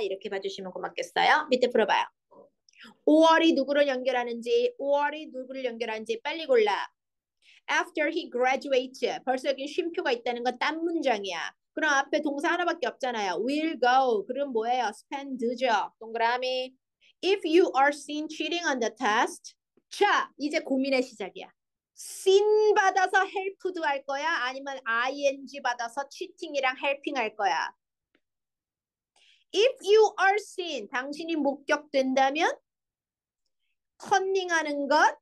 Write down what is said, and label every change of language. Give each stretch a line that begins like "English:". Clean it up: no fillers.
Korean: 이렇게 봐주시면 고맙겠어요. 밑에 풀어봐요. Or이 누구를 연결하는지, Or이 누구를 연결하는지 빨리 골라.
English: After he graduated.
Korean: 벌써 여기 쉼표가 있다는 건딴 문장이야. 그럼 앞에 동사 하나밖에 없잖아요.
English: Will go.
Korean: 그럼 뭐예요? Spend죠. 동그라미.
English: If you are seen cheating on the test.
Korean: 자, 이제 고민의 시작이야. Seen 받아서 helped 할 거야? 아니면 ing 받아서 cheating이랑 helping 할 거야?
English: If you are seen.
Korean: 당신이 목격된다면? Cunning 하는 것?